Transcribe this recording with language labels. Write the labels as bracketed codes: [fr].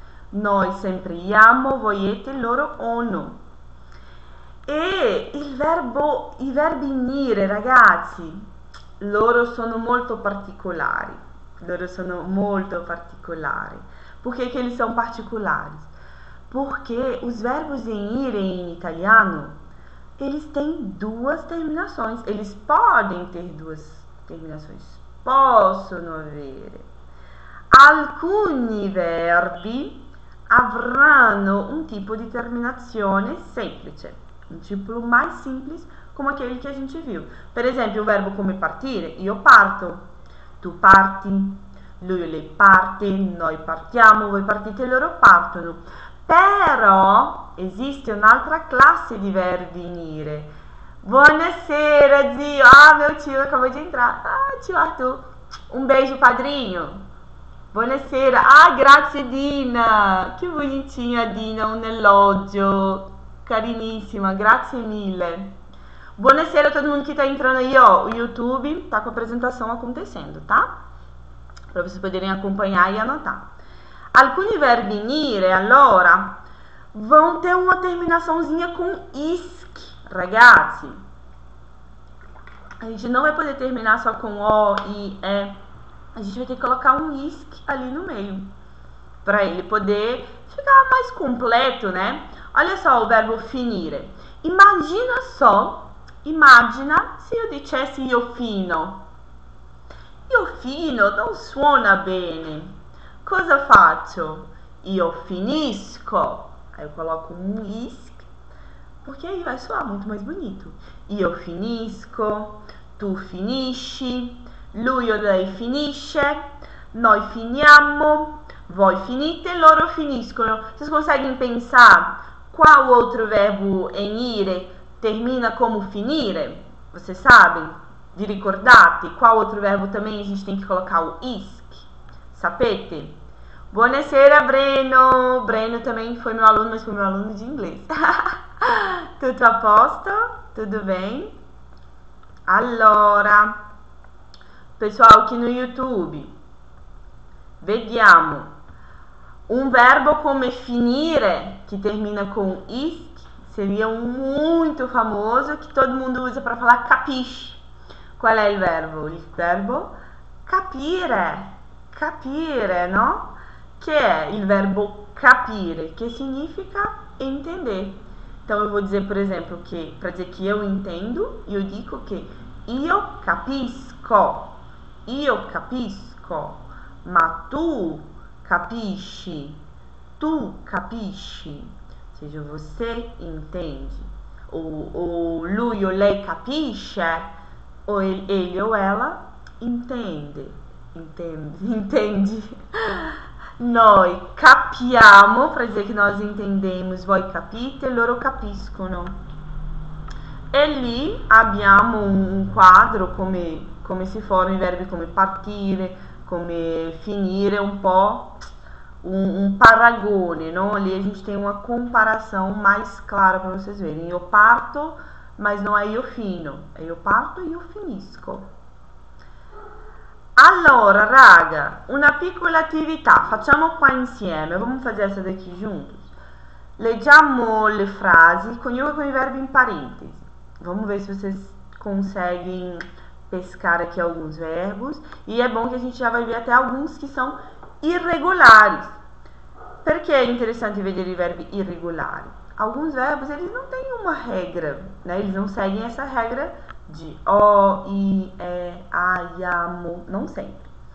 [it] Noi sempre iamo, voiete, loro ono. E i verbi nire, ragazzi, loro sono molto particolari. Loro sono molto particolari. [pt] Perché che eles são particulares? Porque os verbos em ire em italiano, eles têm duas terminações. Eles podem ter duas terminações. [it] Possono avere. Alcuni verbi avranno un tipo di terminazione semplice, un tipo [pt] mais simples [it] come [pt] aquele que a gente viu. [it] Per esempio, o verbo come partire. Io parto, tu parti. Lui e lei parte, noi partiamo, voi partite e loro partono. Però esiste un'altra classe di verbi inire. Buonasera, zio. [pt] Ah, meu tio, acabou de entrar. Ah, tio Arthur. Um beijo, padrinho. [it] Buonasera. Ah, grazie, Dina. Che bonitinha, Dina, un elogio. Carinissima, grazie mille. Buonasera [pt] a todo mundo que tá entrando aí, ó. O YouTube tá com a apresentação acontecendo, tá? Para vocês poderem acompanhar e anotar. [it] Alcuni verbi inire, allora, [pt] vão ter uma terminaçãozinha com isk, ragazzi. A gente não vai poder terminar só com o, i, e. A gente vai ter que colocar um isk ali no meio, para ele poder ficar mais completo, né? Olha só o verbo finire. Imagina só, imagina se eu dissesse [it] io fino. Io fino non suona bene. Cosa faccio? Io finisco. [pt] Aí eu coloco um isk, porque aí vai soar muito mais bonito. [it] Io finisco, tu finisci, lui o lei finisce, noi finiamo, voi finite, loro finiscono. [pt] Vocês conseguem pensar qual outro verbo enire termina como finire? Vocês sabem? [it] Vi ricordate [pt] qual outro verbo também a gente tem que colocar o isk? Sapete? [it] Buonasera, [pt] Breno! Breno também foi meu aluno, mas foi meu aluno de inglês. [it] Tutto a posto? [pt] Tudo bem? Allora, pessoal aqui no YouTube, vediamo. Um verbo come finire, che termina com isk, seria um muito famoso que todo mundo usa para falar capisci. [it] Qual è il verbo? Il verbo capire, capire, no? Che è il verbo capire? Che [pt] significa entender. Então eu vou dizer, por exemplo, che para dizer que eu entendo, eu digo [it] che io capisco, ma tu capisci, [pt] tu capisci, ou seja, você entende, ou [it] lui o lei capisce. [pt] Ou ele ou ela entende, entende, entende. [it] Noi capiamo, [pt] para dizer que nós entendemos, [it] voi capite, loro capiscono. E lì abbiamo um quadro come se formam i verbi come partire, come finire, um po' um paragone, não? [pt] Ali a gente tem uma comparação mais clara para vocês verem. Eu parto. Mas não é io fino, é [it] io parto e io finisco. Allora, raga, una piccola attività. Facciamo qua insieme. [pt] Vamos fazer essa daqui juntos. [it] Leggiamo le frasi, coniuga con i verbi in parentesi. [pt] Vamos ver se vocês conseguem pescar aqui alguns verbos. E é bom que a gente já vai ver até alguns que são irregulares. [it] Perché é interessante vedere i verbi [pt] irregulares? Alguns verbos, eles não têm uma regra, né? Eles não seguem essa regra de o, i, e, a, iamo, não sempre.